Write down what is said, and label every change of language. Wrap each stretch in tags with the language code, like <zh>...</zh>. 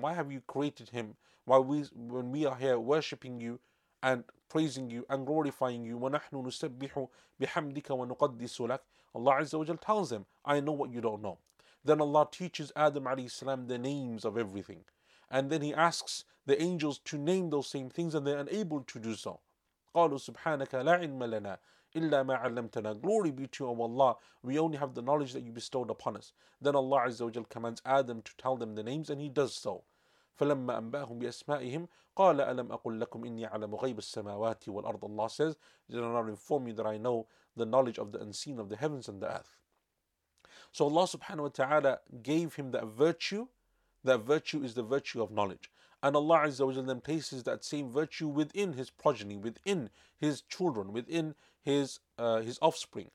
<en>Why have you created him? Why when we are here worshipping you and praising you and glorifying you,</en> <ar>وَنَحْنُ نُسَبِّحُ بِحَمْدِكَ وَنُقَدِّسُ لَكَ,</ar> <en>Allah Azza wa Jal tells them, I know what you don't know. Then Allah teaches Adam alayhi salam the names of everything. And then he asks the angels to name those same things, and they're unable to do so.</en> <ar>قالوا سبحانك لا علم لنا إلا ما علمتنا.</ar> <en>Glory be to you, O Allah. We only have the knowledge that you bestowed upon us. Then Allah Azza wa Jal commands Adam to tell them the names, and he does so.</en> <ar>فلما أنبأهم بأسمائهم قال ألم أقل لكم إني أعلم غيب السماوات والأرض.</ar> <en>Allah says, did I not inform you that I know the knowledge of the unseen of the heavens and the earth? So Allah subhanahu wa ta'ala gave him that virtue. That virtue is the virtue of knowledge. And Allah Azza wa Jalla then places that same virtue within his progeny, within his children, within his offspring.</en>